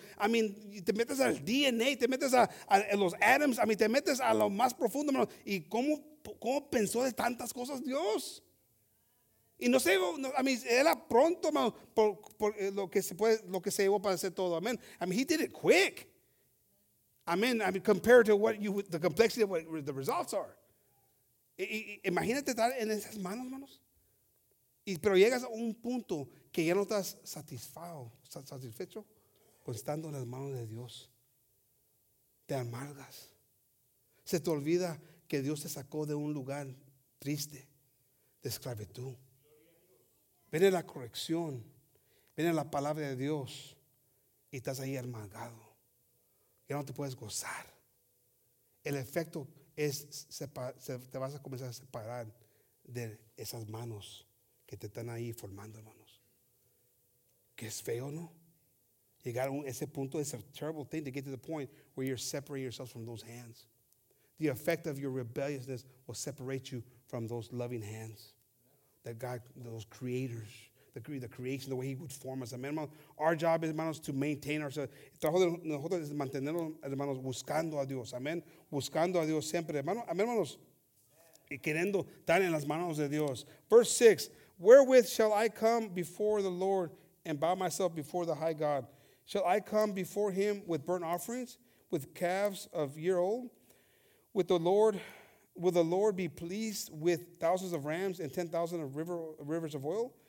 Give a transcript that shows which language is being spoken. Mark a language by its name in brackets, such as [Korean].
[Spanish] I mean, te metes al DNA, te metes a los atoms, I mean, te metes a lo más profundo, hermano. ¿Y cómo pensó de tantas cosas Dios? Y no sé, I mean, era pronto, hermano, por lo que se llevó para hacer todo. [English] Amen. I mean, he did it quick. Amen. I mean, compared to the complexity of what the results are. [Spanish] Imagínate estar en esas manos, hermanos. Pero llegas a un punto que ya no estás satisfecho con estando en las manos de Dios. Te amargas. Se te olvida que Dios te sacó de un lugar triste, de esclavitud. Viene la corrección, viene la palabra de Dios y estás ahí amargado. Ya no te puedes gozar. El efecto es, te vas a comenzar a separar de esas manos que te están ahí formando, hermano. Es feo, ¿no? Llegar a ese punto [English] is a terrible thing to get to the point where you're separating yourself from those hands. The effect of your rebelliousness will separate you from those loving hands. that God, those creators, the creation, the way he would form us. Amen, hermanos. Our job is, hermanos, to maintain ourselves. [Spanish] Trabajo de nosotros es mantenernos, hermanos, buscando a Dios. Amen. Buscando a Dios siempre. Amen, hermanos. Y queriendo estar en las manos de Dios. [English] Verse 6. Wherewith shall I come before the Lord and bow myself before the high God? Shall I come before him with burnt offerings, with calves of year old? Will the Lord be pleased with thousands of rams and 10,000 of rivers of oil?